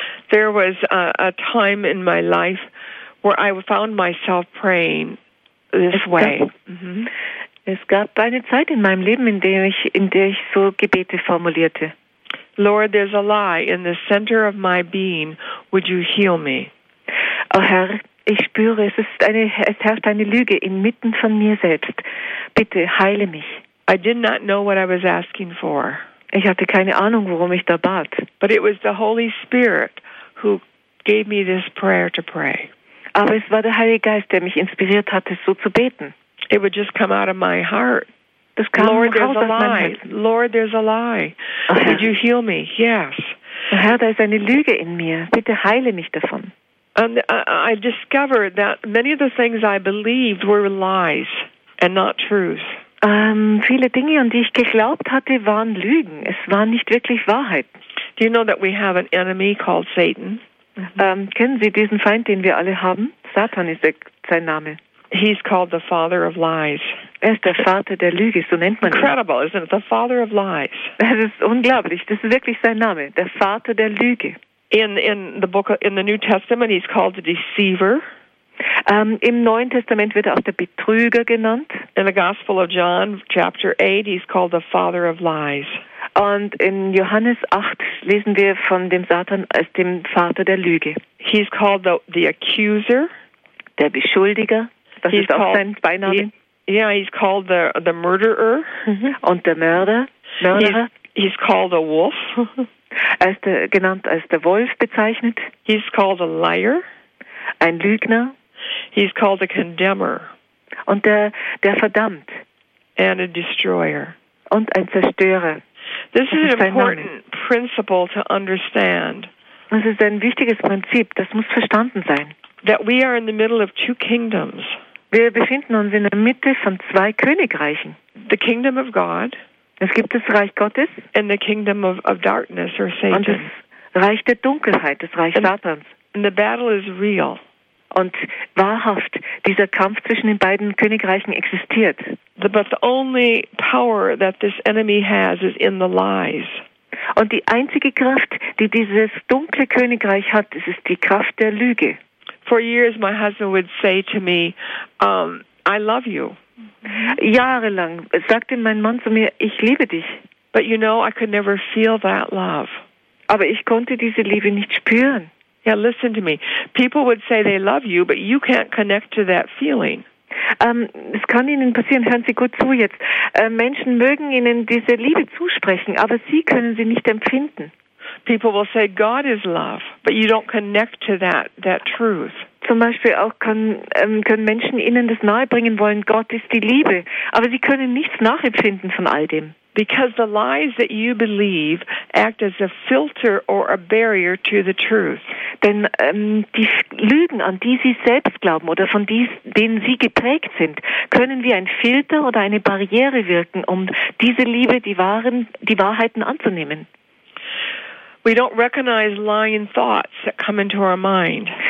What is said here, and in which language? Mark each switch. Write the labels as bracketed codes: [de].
[en] There was a time in my life where I found myself praying this way. [de] Es gab eine Zeit in meinem Leben, in der ich so Gebete formulierte. [en] Lord, there's a lie in the center of my being. Would you heal me? [de] Oh Herr, ich spüre, es herrscht eine Lüge inmitten von mir selbst. Bitte heile mich. [en] I did not know what I was asking for. [de] Ich hatte keine Ahnung, worum ich da bat. [en] But it was the Holy Spirit who gave me this prayer to pray. [de] Aber es war der Heilige Geist, der mich inspiriert hatte, so zu beten. [en] It would just come out of my heart. [de] Das kam [en] Lord, [de] raus [en] there's a lie. Lord, there's a lie. Oh, would you heal me? Yes. [de] Herr, da ist eine Lüge in mir. Bitte heile mich davon. [en] And I discovered that many of the things I believed were lies and not truth. [de] Viele Dinge, an die ich geglaubt hatte, waren Lügen. Es waren nicht wirklich Wahrheit. [en] Do you know that we have an enemy called Satan? Mm-hmm. [de] Kennen Sie diesen Feind, den wir alle haben? Satan ist sein Name. [en] He's called the father of lies. [de] Er ist der Vater der Lüge, so nennt man [en] Incredible, [de] ihn. [en] Isn't it? The father of lies. [de] Das ist unglaublich. Das ist wirklich sein Name, der Vater der Lüge. [en] In the New Testament, he's called the deceiver. [de] Im Neuen Testament wird er auch der Betrüger genannt. [en] In the Gospel of John, chapter 8, he's called the father of lies. [de] Und in Johannes 8 lesen wir von dem Satan als dem Vater der Lüge. [en] He's called the accuser. [de] Der Beschuldiger. Das [en] he's [de] ist auch sein Beiname. [en] He's called the murderer. [de] Mm-hmm. Und der Mörder. [en] He's called a wolf. [de] Er ist genannt als der Wolf bezeichnet. [en] He's called a liar. [de] Ein Lügner. [en] He's called a condemner. [de] Und der verdammt. [en] And a destroyer. [de] Und ein Zerstörer. [en] This is an important principle to understand. [de] Das ist ein wichtiges Prinzip, das muss verstanden sein. [en] That we are in the middle of two kingdoms. [de] Wir befinden uns in der Mitte von zwei Königreichen. [en] The kingdom of God. [de] Es gibt das Reich Gottes. [en] And the kingdom of darkness or Satan. [de] Und das Reich der Dunkelheit, das Reich Satans. [en] And the battle is real. [de] Und wahrhaft, dieser Kampf zwischen den beiden Königreichen existiert. [en] But the only power that this enemy has is in the lies. [de] Und die einzige Kraft, die dieses dunkle Königreich hat, ist die Kraft der Lüge. [en] For years my husband would say to me, I love you. [de] Jahrelang sagte mein Mann zu mir, ich liebe dich. [en] But you know, I could never feel that love. [de] Aber ich konnte diese Liebe nicht spüren. [en] Yeah, listen to me. People would say they love you, but you can't connect to that feeling. [de] Es kann Ihnen passieren, hören Sie gut zu jetzt. Menschen mögen Ihnen diese Liebe zusprechen, aber Sie können sie nicht empfinden. [en] People will say God is love, but you don't connect to that truth. [de] Zum Beispiel auch können Menschen Ihnen das nahebringen wollen, Gott ist die Liebe, aber Sie können nichts nachempfinden von all dem. [en] Because the lies that you believe act as a filter or a barrier to the truth. [de] Denn die Lügen, an die Sie selbst glauben oder von denen Sie geprägt sind, können wie ein Filter oder eine Barriere wirken, um diese Liebe, die Wahrheiten anzunehmen. [en] We don't recognize lying thoughts that come into our mind.